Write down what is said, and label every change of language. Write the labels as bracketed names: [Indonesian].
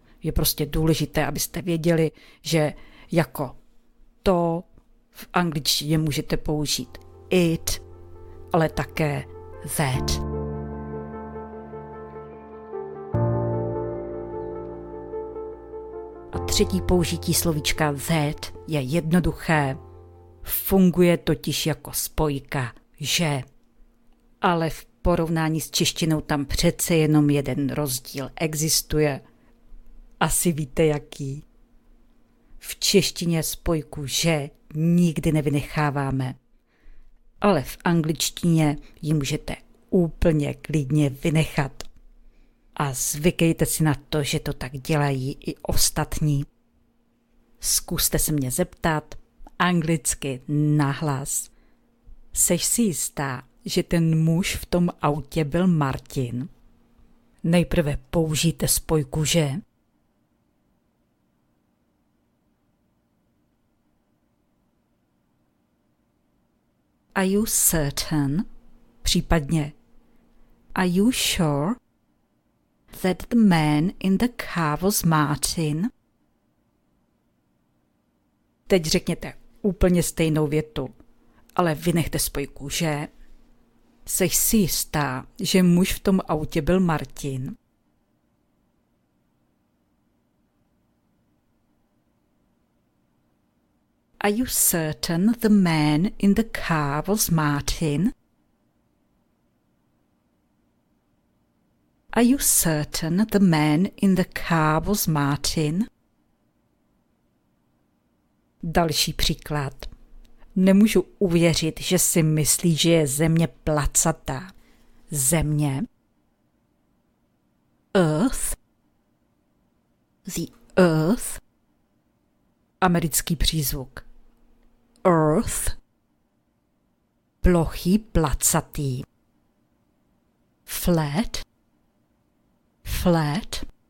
[Czech] Je prostě důležité, abyste věděli, že jako to v angličtině můžete použít it, ale také that. A třetí použití slovíčka that je jednoduché. Funguje totiž jako spojka, že. Ale v porovnání s češtinou tam přece jenom jeden rozdíl existuje. Asi víte jaký. V češtině spojku že nikdy nevynecháváme. Ale v angličtině ji můžete úplně klidně vynechat. A zvykejte si na to, že to tak dělají i ostatní. Zkuste se mě zeptat. Anglicky nahlas. Seš si jistá, že ten muž v tom autě byl Martin? Nejprve použijte spojku, že? [English] Are you certain? [Czech] Případně. [English] Are you sure that the man in the car was Martin? [Czech] Teď řekněte úplně stejnou větu, ale vynechte spojku, že? Seš si jistá, že muž v tom autě byl Martin? [English] Are you certain the man in the car was Martin? Are you certain the man in the car was Martin? [Czech] Další příklad. Nemůžu uvěřit, že si myslí, že je země placatá. Země? [English] Earth? The Earth? [Czech] Americký přízvuk. [English] Earth? [Czech] Plochý, placatý. [English] Flat? Flat?